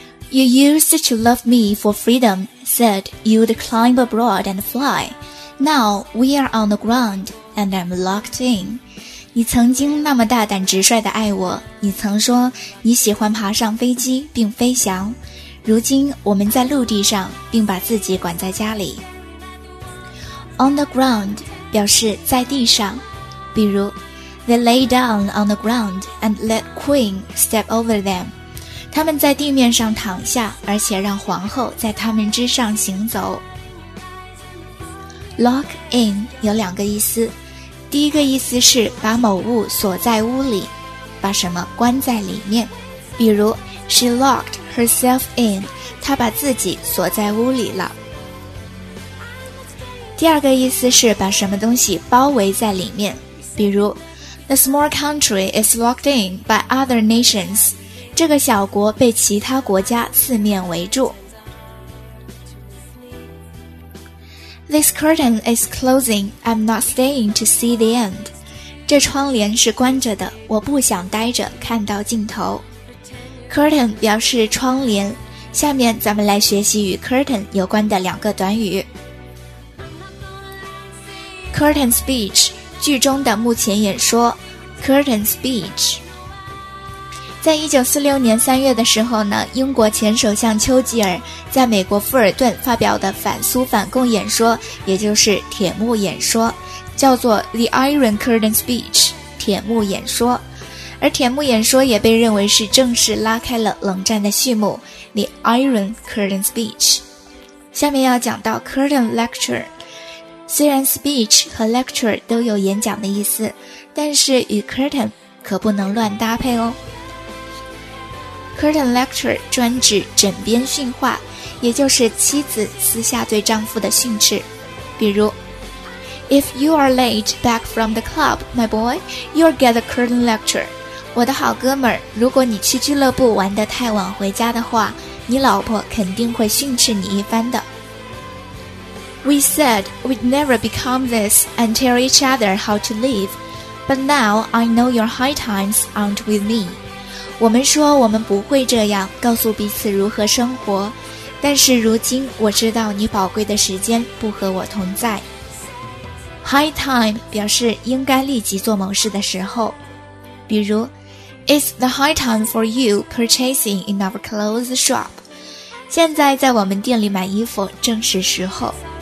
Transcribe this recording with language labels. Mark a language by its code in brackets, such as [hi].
[en] You used to love me for freedom, said you'd climb abroad and flyNow we are on the ground and I'm locked in. [zh] 你曾经那么大胆直率地爱我，你曾说你喜欢爬上飞机并飞翔，如今我们在陆地上并把自己管在家里。 [en] On the ground [zh] 表示在地上，比如 [en] They lay down on the ground and let Queen step over them. [zh] 他们在地面上躺下，而且让皇后在他们之上行走。 Lock in 有两个意思，第一个意思是把某物锁在屋里，把什么关在里面，比如 [en] She locked herself in， [zh] 她把自己锁在屋里了。第二个意思是把什么东西包围在里面，比如 [en] The small country is locked in by other nations， [zh] 这个小国被其他国家四面围住。 [en] This curtain is closing, I'm not staying to see the end， [zh] 这窗帘是关着的，我不想待着看到尽头。 Curtain 表示窗帘，下面咱们来学习与 curtain 有关的两个短语。 Curtain speech， 剧中的幕前演说。Curtain speech， 在1946年3月的时候呢，英国前首相丘吉尔在美国富尔顿发表的反苏反共演说，也就是铁幕演说，叫做 [en] The Iron Curtain Speech， [zh] 铁幕演说。而铁幕演说也被认为是正式拉开了冷战的序幕 ， [en] The Iron Curtain Speech。 [zh] 下面要讲到 Curtain Lecture。虽然 speech 和 lecture 都有演讲的意思，但是与 curtain 可不能乱搭配哦。 [en] Curtain lecture [zh] 专指枕边训话，也就是妻子私下对丈夫的训斥，比如 [en] If you are late back from the club, my boy, you'll get a curtain lecture。 [zh] 我的好哥们儿，如果你去俱乐部玩得太晚回家的话，你老婆肯定会训斥你一番的。 [en] We said we'd never become this and tell each other how to live, but now I know your high times aren't with me. [zh] 我们说我们不会这样告诉彼此如何生活，但是如今我知道你宝贵的时间不和我同在。 [en] High time [zh] 表示应该立即做某事的时候，比如 [en] It's the high time for you purchasing in our clothes shop. [zh] 现在在我们店里买衣服正是时候。